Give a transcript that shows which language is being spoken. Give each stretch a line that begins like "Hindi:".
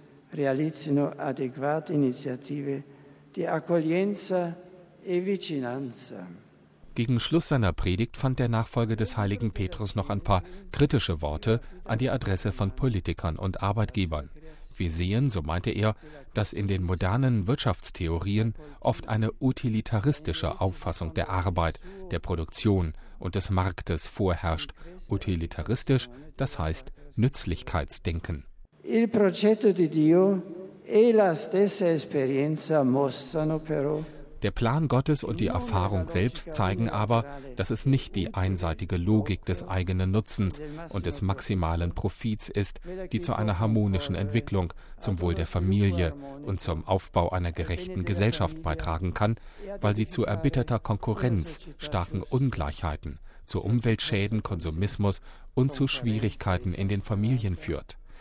Italian: Realizzino adeguate iniziative di accoglienza e vicinanza.
German: Gegen Schluss seiner Predigt fand der Nachfolger des heiligen Petrus noch ein paar kritische Worte an die Adresse von Politikern und Arbeitgebern. Wir sehen, so meinte er, dass in den modernen Wirtschaftstheorien oft eine utilitaristische Auffassung der Arbeit, der Produktion und des Marktes vorherrscht. Utilitaristisch, das heißt Nützlichkeitsdenken.
Italian: Il progetto di Dio e la stessa esperienza mostrano però.
German: Der Plan Gottes und die Erfahrung selbst zeigen aber, dass es nicht die einseitige Logik des eigenen Nutzens und des maximalen Profits ist, die zu einer harmonischen Entwicklung, zum Wohl der Familie und zum Aufbau einer gerechten Gesellschaft beitragen kann, weil sie zu erbitterter Konkurrenz, starken Ungleichheiten, zu Umweltschäden, Konsumismus und zu Schwierigkeiten in den Familien führt.